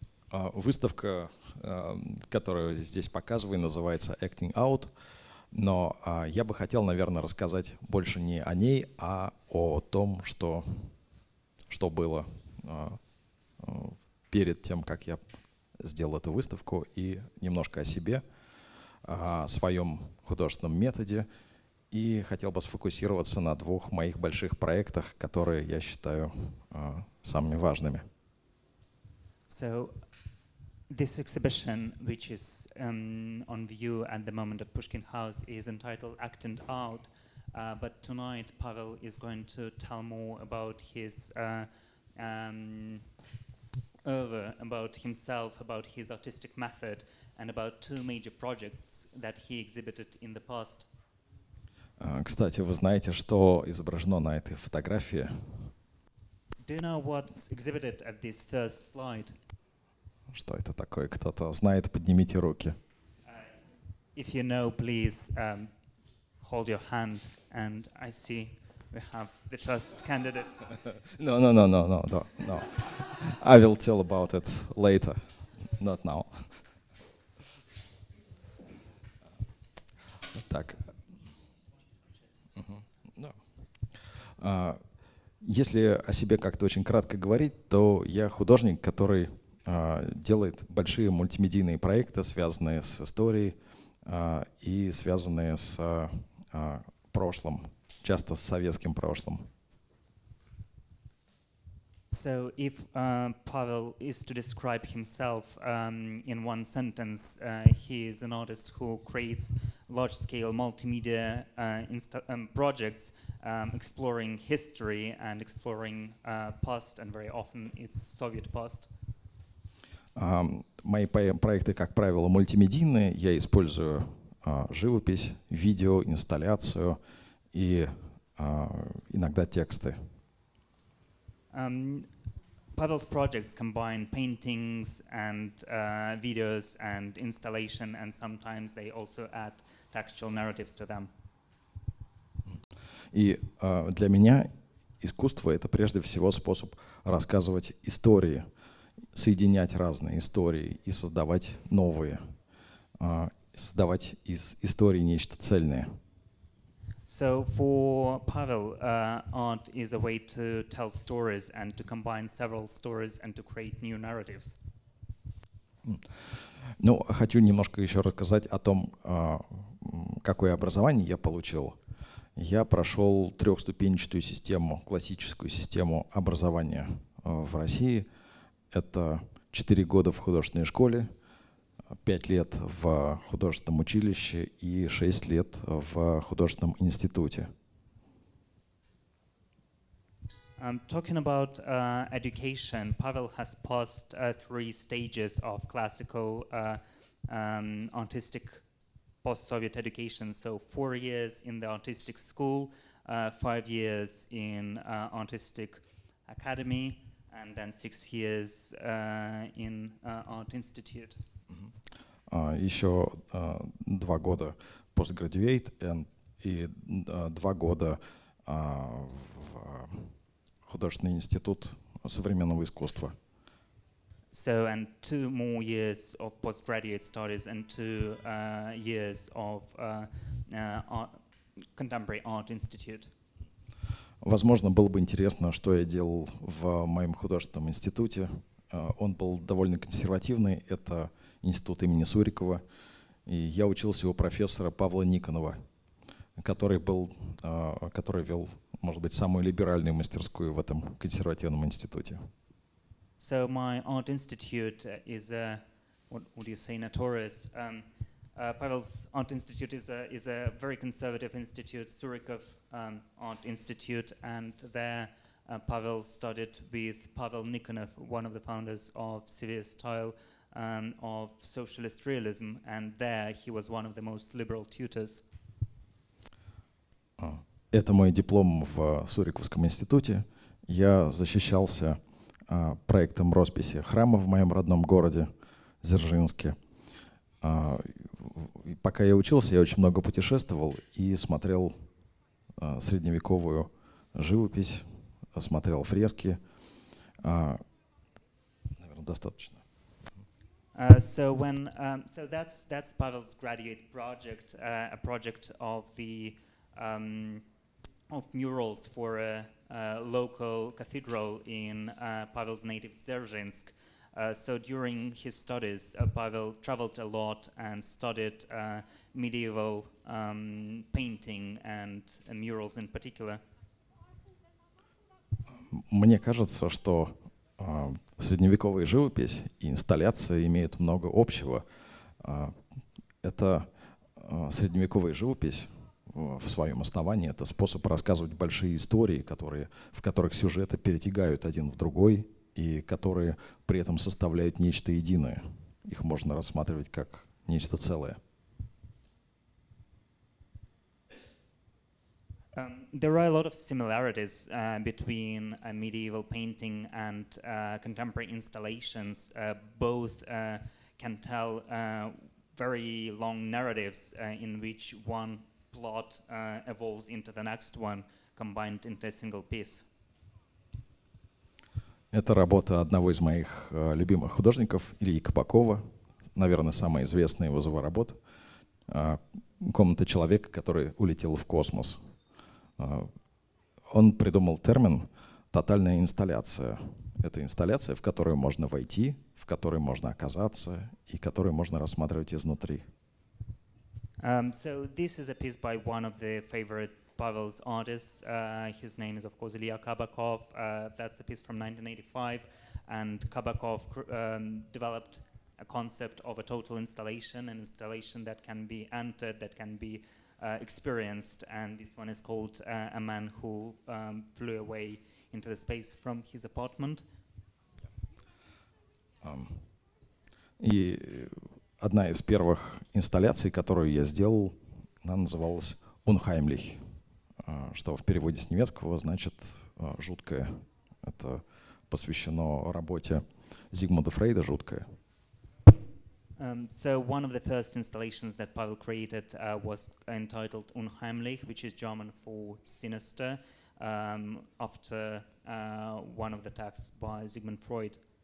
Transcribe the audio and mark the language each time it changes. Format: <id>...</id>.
<ru>Выставка, которую здесь показываю, называется «Acting Out», но я бы хотел, наверное, рассказать больше не о ней, а о том, что было перед тем, как я сделал эту выставку, и немножко о себе, о своем художественном методе, и хотел бы сфокусироваться на двух моих больших проектах, которые я считаю самыми важными.</ru> <en>This exhibition, which is on view at the moment at Pushkin House, is entitled Acting Out. But tonight, Pavel is going to tell more about his oeuvre, about himself, about his artistic method, and about two major projects that he exhibited in the past.</en> <ru>Кстати, вы знаете, что изображено на этой фотографии?</ru> <en>Do you know what's exhibited at this first slide?</en> <ru>Что это такое? Кто-то знает, поднимите руки.</ru> <en>If you know, please hold your hand, and I see we have the first candidate. No. I will tell about it later, not now.</en> <ru>Так. Если о себе как-то очень кратко говорить, то я художник, который делает большие мультимедийные проекты, связанные с историей и связанные с прошлым, часто с советским прошлым.</ru> <en>So if Pavel is to describe himself in one sentence, he is an artist who creates large-scale multimedia projects exploring history and exploring past, and very often it's Soviet past.</en> <ru>Мои проекты, как правило, мультимедийные. Я использую живопись, видео, инсталляцию и иногда тексты.</ru> <en>Pavel's projects combine paintings and videos and installation, and sometimes they also add textual narratives to them.</en> <ru>И для меня искусство — это прежде всего способ рассказывать истории, соединять разные истории и создавать новые, создавать из истории нечто цельное.</ru> <en>So for Pavel, art is a way to tell stories and to combine several stories and to create new narratives.</en> <ru>Ну, хочу немножко еще рассказать о том, какое образование я получил. Я прошел трехступенчатую систему, классическую систему образования в России. Это 4 года в художественной школе, 5 лет в художественном училище и 6 лет в художественном институте.</ru> <en>Talking about education, Pavel has passed three stages of classical artistic post-Soviet education. So 4 years in the artistic school, 5 years in artistic academy, and then 6 years in art institute.</en> <ru>Еще 2 года postgraduate и 2 года в художественный институт современного искусства.</ru> <en>So and 2 more years of postgraduate studies and 2 years of art, contemporary art institute.</en> <ru>Возможно, было бы интересно, что я делал в моем художественном институте. Он был довольно консервативный. Это институт имени Сурикова. И я учился у профессора Павла Никонова, который был, который вел, может быть, самую либеральную мастерскую в этом консервативном институте.</ru> <en>So my art institute is a, what would you say, notorious? Pavel's art institute is a very conservative institute, Surikov art institute, and there Pavel studied with Pavel Nikonov, one of the founders of severe style of socialist realism, and there he was one of the most liberal tutors.</en> <ru>Это мой диплом в Суриковском институте. Я защищался проектом росписи храма в моем родном городе Дзержинске. Пока я учился, я очень много путешествовал и смотрел средневековую живопись, смотрел фрески. Наверное, достаточно.</ru> <en>So when so that's Pavel's graduate project, a project of murals for a local cathedral in Pavel's native Dzerzhinsk. So during his studies, Pavel traveled a lot and studied medieval painting and murals in particular.</en> <ru>Мне кажется, что средневековая живопись и инсталляция имеют много общего. Это средневековая живопись в своем основании — это способ рассказывать большие истории, которые, в которых сюжеты перетягают один в другой и которые при этом составляют нечто единое. Их можно рассматривать как нечто целое.</ru> <en>There are a lot of similarities between a medieval painting and contemporary installations. Both can tell very long narratives in which one plot evolves into the next one, combined into a single piece.</en> <ru>Это работа одного из моих любимых художников, Ильи Кабакова. Наверное, самая известная его его работа. Комната человека, который улетел в космос. Он придумал термин «тотальная инсталляция». Это инсталляция, в которую можно войти, в которой можно оказаться и которую можно рассматривать изнутри.</ru> <en>So this is a piece by one of the favorite Pavel's artists. His name is, of course, Ilya Kabakov. That's a piece from 1985. And Kabakov developed a concept of a total installation, an installation that can be entered, that can be experienced, and this one is called A Man Who Flew Away into the Space from His Apartment.</en> <ru>И одна из первых инсталляций, которую я сделал, она называлась «Unheimlich», что в переводе с немецкого значит «жуткое». Это посвящено работе Зигмунда Фрейда «Жуткое».</ru> <en>So one of the first installations that Pavel created was entitled Unheimlich, which is German for sinister, after one of the texts by Sigmund Freud.</en>